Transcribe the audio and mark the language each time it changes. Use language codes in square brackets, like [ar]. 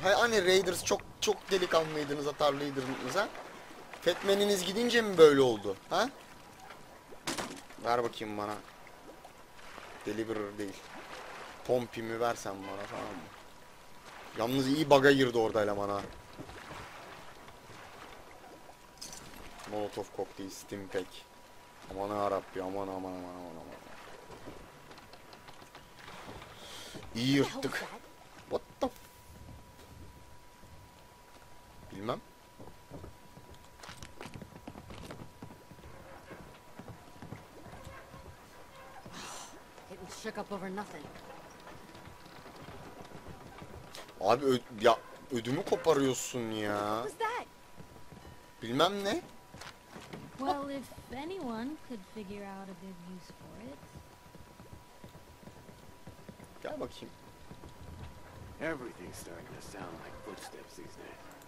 [tr] Hani Raiders çok çok delikanlıydınız, atarlıydınız ha? Fetmeniniz gidince mi böyle oldu? Ha? Ver bakayım bana. Deliverer değil. Pompimi versen bana tamam mı? Yalnız iyi bug'a girdi orada eleman ha. [en] Molotov cocktail, steam pack. [tr] Aman yarabbi, aman aman aman aman aman. İyi yırttık. [en] What the f- [tr] Bilmem. [en] It was shook up over nothing. [tr] Abi ya ödümü koparıyorsun ya. Bilmem ne. [en] Well, if anyone could figure out a good use for it. [tr] Gel bakayım. [en] Everything's starting to sound like footsteps these days.